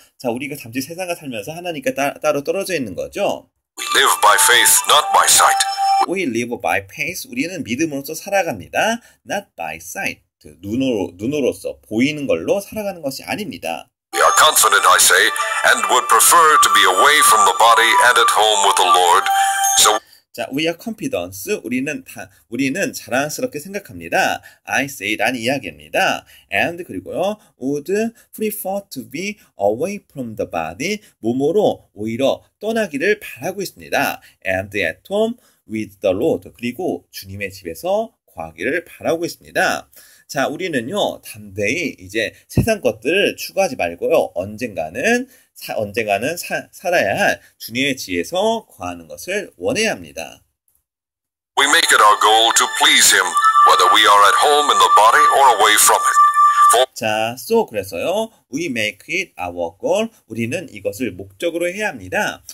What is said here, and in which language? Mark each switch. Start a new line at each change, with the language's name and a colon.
Korean: 자, 우리가 잠시 세상을 살면서 하나님께 따로 떨어져 있는 거죠.
English: Live by faith, not by sight. We live by faith.
Korean: 우리는 믿음으로써 살아갑니다.
English: Not by sight.
Korean: 눈으로써 보이는 걸로 살아가는 것이 아닙니다.
English: We are confident, I say, and would prefer to be away from the body and at home with the Lord. So 자, we are confidence.
Korean: 우리는 자랑스럽게 생각합니다.
English: I say,
Korean: 라는 이야기입니다.
English: And
Korean: 그리고요,
English: would prefer to be away from the body.
Korean: 몸으로 오히려 떠나기를 바라고 있습니다.
English: And at home. With the Lord,
Korean: 그리고 주님의 집에서 거하기를 바라고 있습니다. 자, 우리는요, 담대히 이제 세상 것들을 추구하지 말고요, 살아야 할 주님의 집에서 거하는 것을 원해야 합니다.
English: We make it our goal to please him, whether we are at home in the body or away from it. 자, so
Korean: 그래서요,
English: we make it our goal.
Korean: 우리는 이것을 목적으로 해야 합니다.